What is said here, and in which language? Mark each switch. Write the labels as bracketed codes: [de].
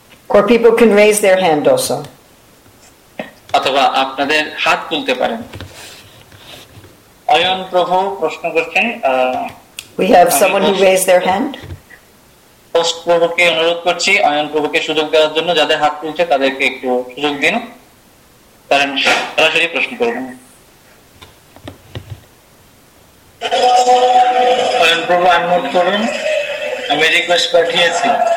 [en] Or people can raise their hand also. [bn] অথবা আপনাদের হাত তুলতে পারেন অয়ন প্রভু প্রশ্ন করছেন [en] we have someone who raised their hand [bn] post প্রভুকে অনুরোধ করছি অয়ন প্রভুকে সুযোগ দেওয়ার জন্য যাদের হাত তুলছে তাদেরকে একটু সুযোগ দিন কারণ সরাসরি প্রশ্ন করবেন অয়ন প্রভু আনমোট করুন আমি রিকোয়েস্ট পাঠিয়েছি